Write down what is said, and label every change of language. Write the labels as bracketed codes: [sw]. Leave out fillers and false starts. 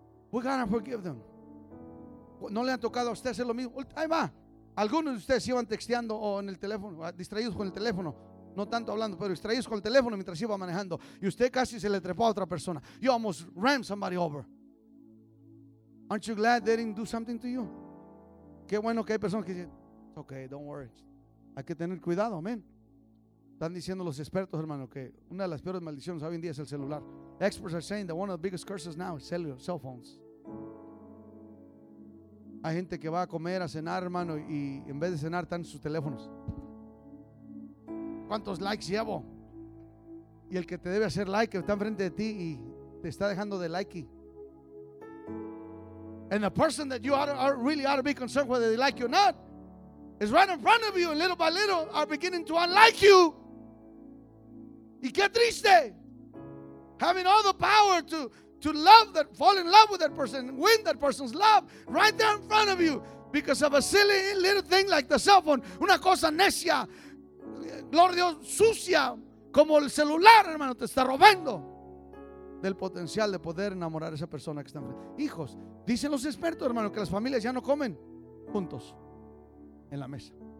[en] We gotta forgive them. [es] No le han tocado a usted hacer lo mismo. Ahí va. Algunos de ustedes iban texteando o en el teléfono, distraídos con el teléfono. No tanto hablando, pero distraídos con el teléfono mientras iba manejando. Y usted casi se le trepó a otra persona. [en] You almost ran somebody over. Aren't you glad they didn't do something to you? [es] Qué bueno que hay personas que dicen, [en] okay, don't worry. [es] Hay que tener cuidado, amén. Están diciendo los expertos, hermano, que una de las peores maldiciones hoy en día es el celular. [en] Experts are saying that one of the biggest curses now is cell phones. [es] Hay gente que va a comer, a cenar, hermano, y en vez de cenar están sus teléfonos. ¿Cuántos likes llevo? Y el que te debe hacer like está enfrente de ti y te está dejando de likey. [en] And the person that you really ought to be concerned whether they like you or not is right in front of you, and little by little are beginning to unlike you. [es] Y qué triste. [en] Having all the power to love that, fall in love with that person, win that person's love right there in front of you because of a silly little thing like the cell phone. [es] Una cosa necia, gloria a Dios, sucia, como el celular, hermano, te está robando del potencial de poder enamorar a esa persona que está enfrente. Hijos, dicen los expertos, hermano, que las familias ya no comen juntos en la mesa.